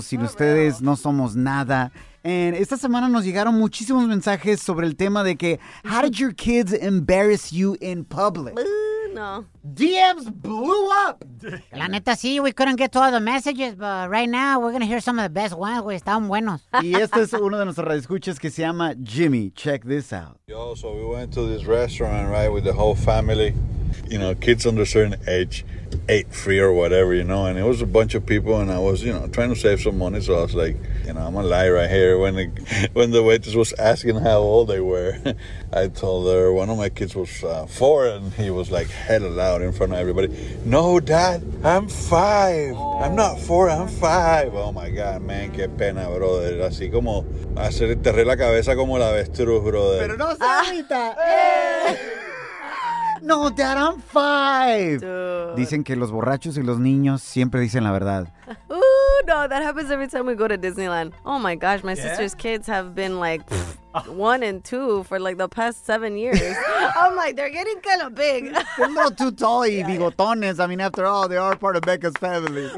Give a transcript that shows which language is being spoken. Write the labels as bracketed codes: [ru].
[es] Sin ustedes no somos nada. And esta semana nos llegaron muchísimos mensajes sobre el tema de que [en] how did your kids embarrass you in public? [es] No. [en] DMs blew up. [es] La neta sí, [en] we couldn't get to all the messages, but right now we're going to hear some of the best ones, güey, [es] estaban buenos. Y este es uno de nuestros radioescuchas que se llama Jimmy. [en] Check this out. Yo, so we went to this restaurant, right, with the whole family. You know, kids under a certain age ate free or whatever, you know, and it was a bunch of people, and I was, you know, trying to save some money, so I was like, you know, I'm gonna lie right here. When the waitress was asking how old they were, I told her one of my kids was 4, and he was like, hella loud in front of everybody, "No, Dad, I'm 5. I'm not 4, I'm 5. Oh my God, man, [es] qué pena, [en] brother. [es] Así como hacer terre la cabeza como la avestruz, brother. Pero no se ahorita. [en] No, Dad, I'm 5. Dude. [es] Dicen que los borrachos y los niños siempre dicen la verdad. [en] Ooh, no, that happens every time we go to Disneyland. Oh my gosh, my sister's kids have been like 1 and 2 for like the past 7 years. I'm like, they're getting kind of big. A little too tall [es] y bigotones. [en] I mean, after all, they are part of Becca's family.